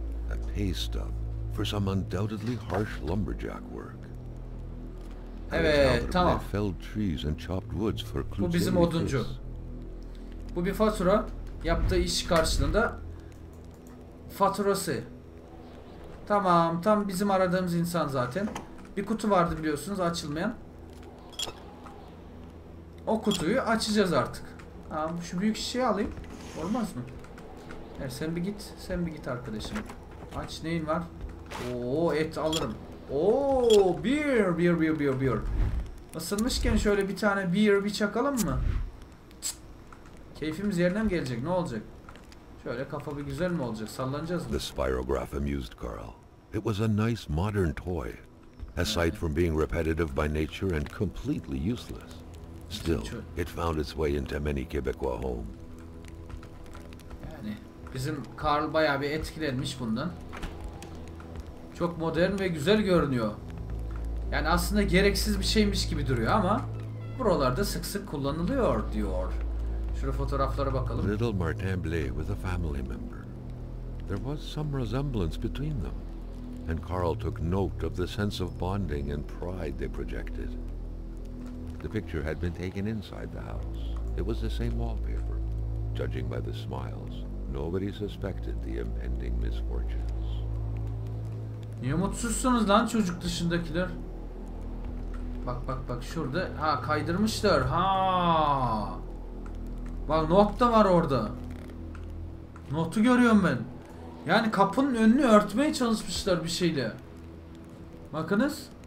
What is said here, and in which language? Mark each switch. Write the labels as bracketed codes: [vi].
[en] A pay stub for some undoubtedly harsh lumberjack work. [tr] Evet, tamam. [en] Felled trees and chopped woods for [tr] bu bizim oduncu. Bu bir fatura. Yaptığı iş karşılığında faturası. Tamam, tam bizim aradığımız insan zaten. Bir kutu vardı biliyorsunuz, açılmayan. O kutuyu açacağız artık. Tamam, şu büyük şişeyi alayım. Olmaz mı? Evet, sen bir git arkadaşım. Aç, neyin var? Oo, et alırım. Oo, beer. Isınmışken şöyle bir tane beer çakalım mı? Keyfimiz yerine mi gelecek? Ne olacak? Şöyle kafa bir güzel mi olacak? Sallanacağız mı? [en] The spirograph amused Carl. It was a nice modern toy. Aside from being repetitive by nature and completely useless. Still, it found its way into many Quebecois homes. [tr] Bizim Carl bayağı bir etkilenmiş bundan. Çok modern ve güzel görünüyor. Yani aslında gereksiz bir şeymiş gibi duruyor ama buralarda sık sık kullanılıyor diyor. Şurada fotoğraflara bakalım. [en] Little Martin Blay was a family member. There was some resemblance between them. And Carl took note of the sense of bonding and pride they projected. The picture had been taken inside the house. It was the same wallpaper, judging by the smiles. Nobody suspected the impending misfortunes. [tr] Niye mutsuzsunuz lan çocuk dışındakiler? Bak şurada. Ha, kaydırmışlar. Ha. Bak not da var orada. Notu görüyorum ben. Yani kapının önünü örtmeye çalışmışlar bir şeyle. Bakınız.